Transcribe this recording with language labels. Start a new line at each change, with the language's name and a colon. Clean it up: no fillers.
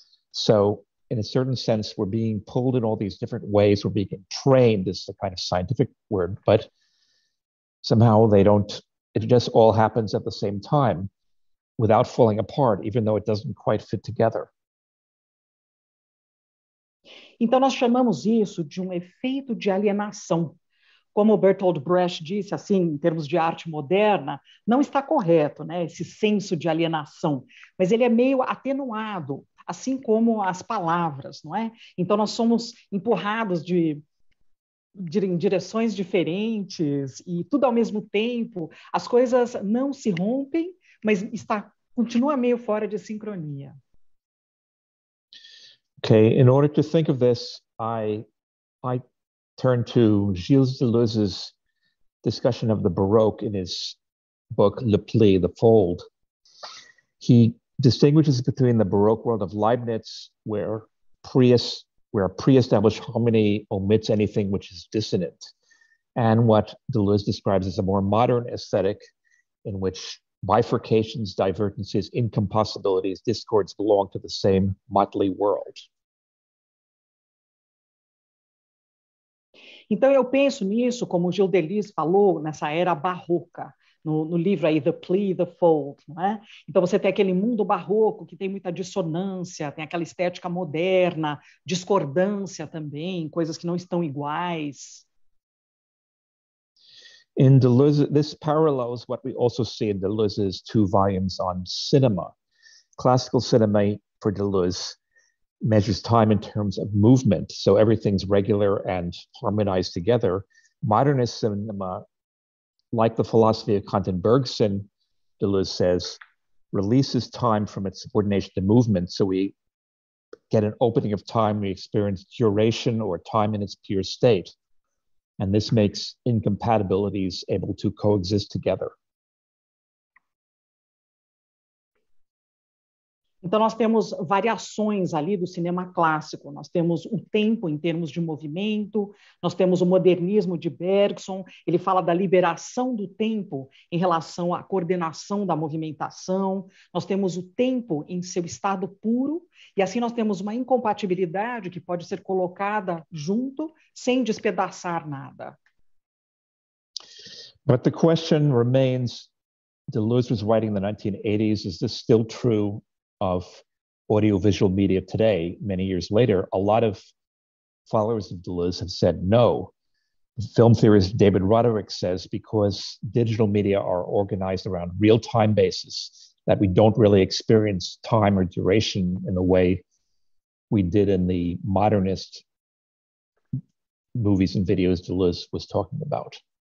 English: So in a certain sense, we're being pulled in all these different ways. We're being entrained, is the kind of scientific word, but somehow it just all happens at the same time without falling apart, even though it doesn't quite fit together.
Portuguese: Então, nós chamamos isso de um efeito de alienação. Como Bertolt Brecht disse, assim, em termos de arte moderna, não está correto, né, esse senso de alienação, mas ele é meio atenuado, assim como as palavras, não é? Então, nós somos empurrados em direções diferentes e tudo ao mesmo tempo. As coisas não se rompem, mas continua meio fora de sincronia.
English: Okay, in order to think of this, I turn to Gilles Deleuze's discussion of the Baroque in his book Le Pli, The Fold. He distinguishes between the Baroque world of Leibniz, where pre-established harmony omits anything which is dissonant, and what Deleuze describes as a more modern aesthetic, in which bifurcations, divergences, incompossibilities, discords belong to the same motley world.
Portuguese: Então, eu penso nisso, como o Gilles Deleuze falou, nessa era barroca, no livro aí, The Plea, The Fold, não é? Então, você tem aquele mundo barroco que tem muita dissonância, tem aquela estética moderna, discordância também, coisas que não estão iguais.
English: In Deleuze, this parallels what we also see in Deleuze's two volumes on cinema. Classical cinema, for Deleuze, measures time in terms of movement, so everything's regular and harmonized together. Modernist cinema, like the philosophy of Kant and Bergson, Deleuze says, releases time from its subordination to movement, so we get an opening of time, we experience duration or time in its pure state. And this makes incompatibilities able to coexist together.
Portuguese: Então, nós temos variações ali do cinema clássico. Nós temos o tempo em termos de movimento, nós temos o modernismo de Bergson. Ele fala da liberação do tempo em relação à coordenação da movimentação. Nós temos o tempo em seu estado puro. E assim, nós temos uma incompatibilidade que pode ser colocada junto sem despedaçar nada.
English: But the question remains, Deleuze was writing in the 1980s, is this still true of audiovisual media today, many years later? A lot of followers of Deleuze have said no. Film theorist David Roderick says, because digital media are organized around real-time basis, that we don't really experience time or duration in the way we did in the modernist movies and videos Deleuze was talking about.